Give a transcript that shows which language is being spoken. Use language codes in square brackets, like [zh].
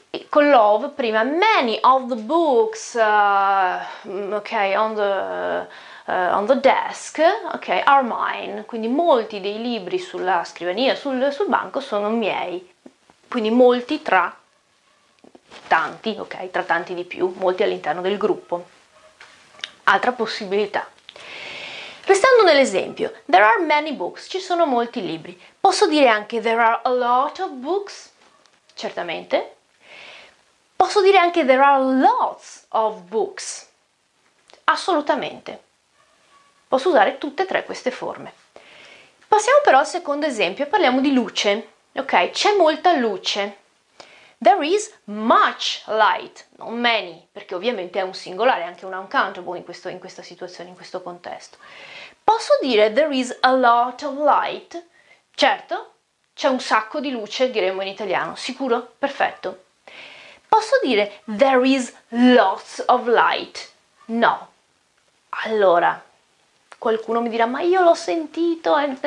[en] Con love prima, many of the books, okay, on the desk, okay, are mine. [it] Quindi molti dei libri sulla scrivania, sul banco sono miei. Quindi molti tra tanti, ok, tra tanti di più, molti all'interno del gruppo. Altra possibilità. Restando nell'esempio, [en] there are many books, [it] ci sono molti libri. Posso dire anche [en] there are a lot of books? [it] Certamente. Posso dire anche [en] there are lots of books? [it] Assolutamente. Posso usare tutte e tre queste forme. Passiamo però al secondo esempio, parliamo di luce. Ok, c'è molta luce. [en] There is much light, [it] non many, perché ovviamente è un singolare, è anche un uncountable in questa situazione, in questo contesto. Posso dire [en] there is a lot of light? [it] Certo, c'è un sacco di luce, diremmo in italiano. Sicuro? Perfetto. Posso dire [en] there is lots of light? [it] No. Allora, qualcuno mi dirà, ma io l'ho sentito.